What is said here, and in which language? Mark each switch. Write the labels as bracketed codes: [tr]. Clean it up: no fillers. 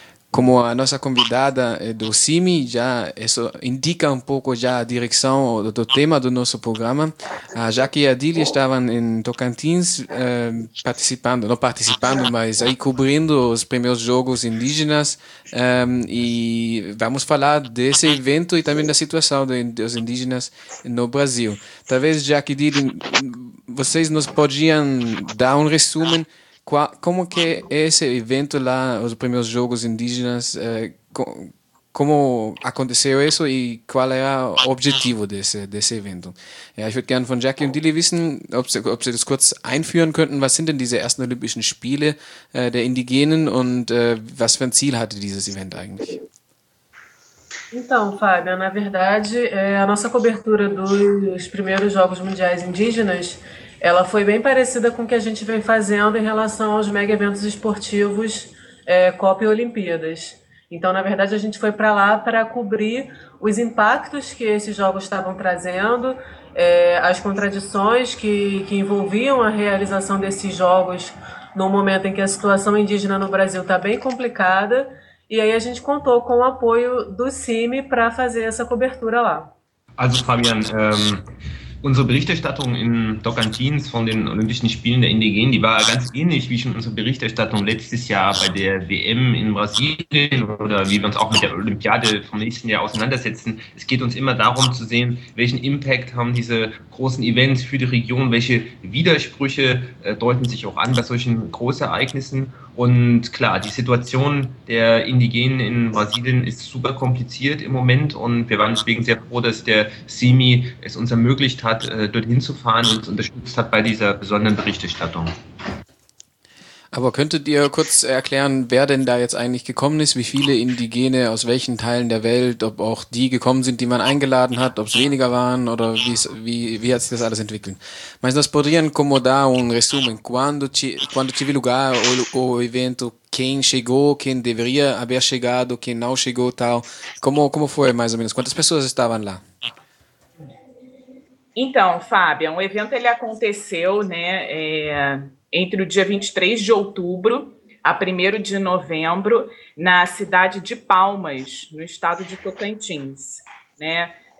[pt] Como a nossa convidada do CIMI já isso indica um pouco já a direção do tema do nosso programa, a Jaque e a Dili estavam em Tocantins participando, não participando, mas aí cobrindo os primeiros jogos indígenas, e vamos falar desse evento e também da situação dos indígenas no Brasil. Talvez, Jaque e Dili, vocês nos podiam dar um resumo. Como que é esse evento lá, os primeiros jogos indígenas, como aconteceu isso e qual era o objetivo desse evento? [de] Ich würde gerne von Jackie und Dili wissen, ob sie das kurz einführen könnten. Was sind denn diese ersten Olympischen Spiele der Indigenen und was für ein Ziel hatte dieses Event eigentlich? [pt] Então, Fábio, na verdade, a nossa cobertura dos primeiros Jogos Mundiais Indígenas, ela foi bem parecida com o que a gente vem fazendo em relação aos mega-eventos esportivos, Copa e Olimpíadas. Então, na verdade, a gente foi para lá para cobrir os impactos que esses jogos estavam trazendo, as contradições que envolviam a realização desses jogos num momento em que a situação indígena no Brasil está bem complicada. E aí a gente contou com o apoio do CIMI para fazer essa cobertura lá. [de] Also, Fabian, Unsere Berichterstattung in Tocantins von den Olympischen Spielen der Indigenen, die war ganz ähnlich wie schon unsere Berichterstattung letztes Jahr bei der WM in Brasilien oder wie wir uns auch mit der Olympiade vom nächsten Jahr auseinandersetzen. Es geht uns immer darum zu sehen, welchen Impact haben diese großen Events für die Region, welche Widersprüche deuten sich auch an bei solchen Großereignissen. Und klar, die Situation der Indigenen in Brasilien ist super kompliziert im Moment und wir waren deswegen sehr froh, dass der CIMI es uns ermöglicht hat, dorthin zu fahren und uns unterstützt hat bei dieser besonderen Berichterstattung. Aber könntet ihr kurz erklären, wer denn da jetzt eigentlich gekommen ist, wie viele Indigene aus welchen Teilen der Welt, ob auch die gekommen sind, die man eingeladen hat, ob es weniger waren oder wie hat sich das alles entwickelt? [pt] Mas nós poderíamos como dar resumo, quando tive lugar o evento, quem chegou, quem deveria haver chegado, quem não chegou, tal. Como foi mais ou menos? Quantas pessoas estavam lá? Então, Fábio, o evento ele aconteceu, né, entre o dia 23 de outubro a 1º de novembro, na cidade de Palmas, no estado de Tocantins. Né?